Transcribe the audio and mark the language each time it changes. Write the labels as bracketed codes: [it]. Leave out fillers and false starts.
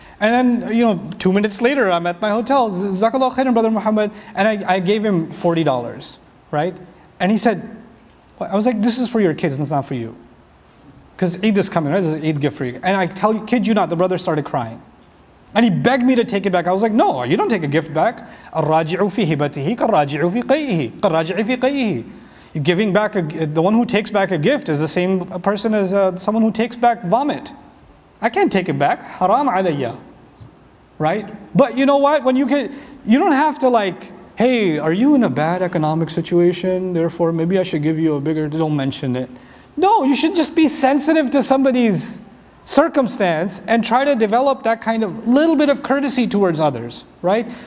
[en] And then, you know, 2 minutes later, I'm at my hotel, [ar] Zakallah Khairan, [en] Brother Muhammad, and I gave him $40, right? And he said, I was like, this is for your kids, and it's not for you. Because Eid is coming, right? This is an Eid gift for you. And I tell you, kid you not, the brother started crying. And he begged me to take it back. I was like, no, you don't take a gift back. [ar] الراجعُ في هبته كالراجعُ في قيئه كالراجعُ في قيئه. [en] Giving back, the one who takes back a gift is the same person as someone who takes back vomit. I can't take it back. [ar] Haram alayya. [en] Right? But you know what? When you get, you don't have to like, hey, are you in a bad economic situation? Therefore, maybe I should give you a bigger, don't mention it. No, you should just be sensitive to somebody's circumstance and try to develop that kind of little bit of courtesy towards others. Right?